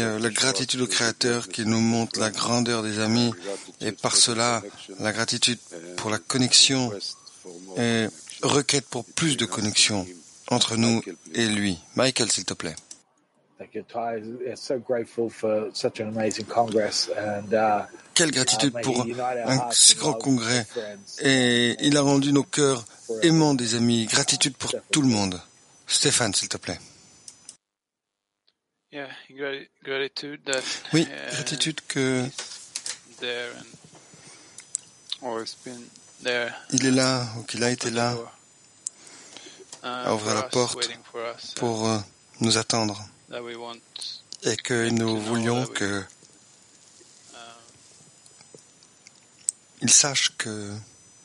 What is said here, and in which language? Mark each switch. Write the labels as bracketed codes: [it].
[fr] La gratitude au Créateur qui nous montre la grandeur des amis et par cela, la gratitude pour la connexion et requête pour plus de connexion entre nous et lui. Michael, s'il te plaît. [en] Thank you, Ty. I'm so grateful for such an amazing congress and, [fr] quelle gratitude pour un si grand congrès. Et il a rendu nos cœurs aimants des amis. Gratitude pour tout le monde. Stéphane, s'il te plaît. Oui, gratitude que il est là ou qu'il a été là à ouvrir la porte pour nous attendre et que nous voulions que il sache que